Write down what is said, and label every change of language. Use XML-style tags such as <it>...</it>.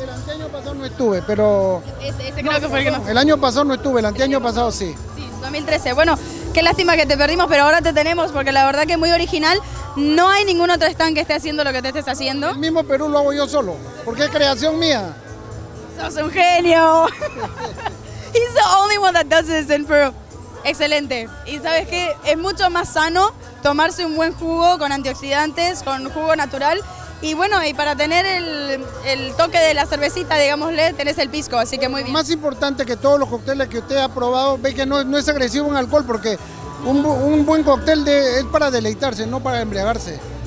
<es>El anteaño pasado no estuve, pero... Ese creo que fue el que no. El año pasado no estuve, el anteaño pasado sí. Sí, 2013. Bueno... Qué lástima que te perdimos, pero ahora te tenemos, porque la verdad que es muy original. No hay ningún otro stand que esté haciendo lo que te estés haciendo. El mismo Perú lo hago yo solo, porque es creación mía. ¡Sos un genio!</es> <en>He's the only one that does this in Peru.</en> <es>Excelente. Y ¿sabes qué? Es mucho más sano tomarse un buen jugo con antioxidantes, con jugo natural. Y bueno, y para tener el toque de la cervecita, digámosle, tenés el pisco, así que muy bien. Lo más importante que todos los cócteles que usted ha probado, ve que no es agresivo en alcohol, porque un buen cóctel es para deleitarse, no para embriagarse.</es>